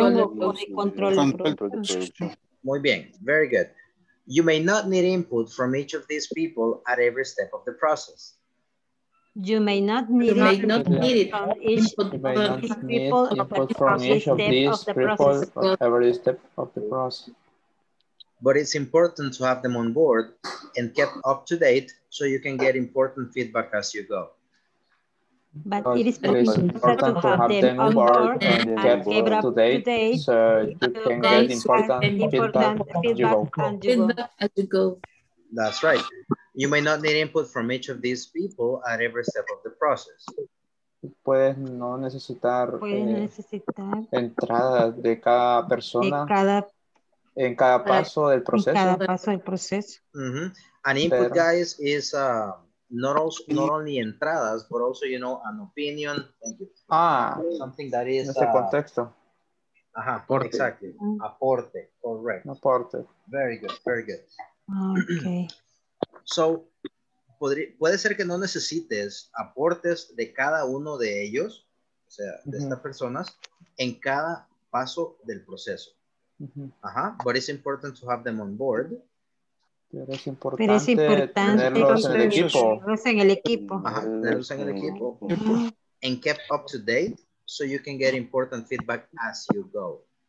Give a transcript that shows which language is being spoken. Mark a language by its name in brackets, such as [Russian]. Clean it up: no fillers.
[Spanish] ¿Y miembros de producción o control de producción? Muy bien, [English] very good. You may not need input from each of these people at every step of the process. You may not need input from each of these people at every step of the process. But it's important to have them on board and kept up to date so you can get important feedback as you go. But it is important to have them on board and kept up to date so you can get important feedback as you go. That's right. You may not need input from each of these people at every step of the process. [Spanish] Puedes no necesitar, entradas de cada persona en cada paso del proceso. En cada paso del proceso. [English] Mm-hmm. An input, guys, is... Not only entradas, but also, you know, an opinion. Thank you. Ah, something that is... [Spanish] En ese contexto. Ajá, aporte. Exactly. Aporte, correct. Aporte. [English] Very good, very good. Okay. [Spanish] So, puede ser que no necesites aportes de cada uno de ellos, o sea, de mm-hmm. estas personas, en cada paso del proceso. Mm-hmm. [English] Ajá, but it's important to have them on board. [Spanish] Pero es importante tenerlos en el equipo. Uh-huh. [English] And kept up to date so you can get important feedback as you go.